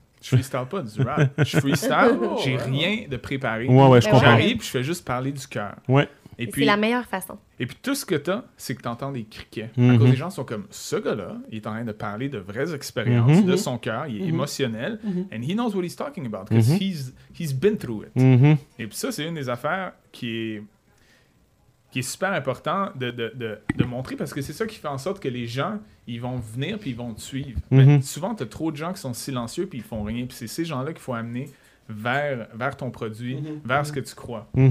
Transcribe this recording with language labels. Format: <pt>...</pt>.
<fr>Je freestyle pas du rap. Je freestyle, j'ai rien de préparé. Ouais, ouais, je comprends. J'arrive et je fais juste parler du cœur. Ouais. Et puis, c'est la meilleure façon. Et puis tout ce que t'as, c'est que t'entends des criquets. À cause des gens sont comme, ce gars-là, il est en train de parler de vraies expériences, de son cœur, il est émotionnel.</fr> <en>And he knows what he's talking about, because he's been through it.</en> <fr>Et puis ça, c'est une des affaires qui est super important de montrer, parce que c'est ça qui fait en sorte que les gens, ils vont venir puis ils vont te suivre. Mais souvent, tu as trop de gens qui sont silencieux puis ils font rien. Puis c'est ces gens-là qu'il faut amener vers ton produit, vers ce que tu crois.</fr>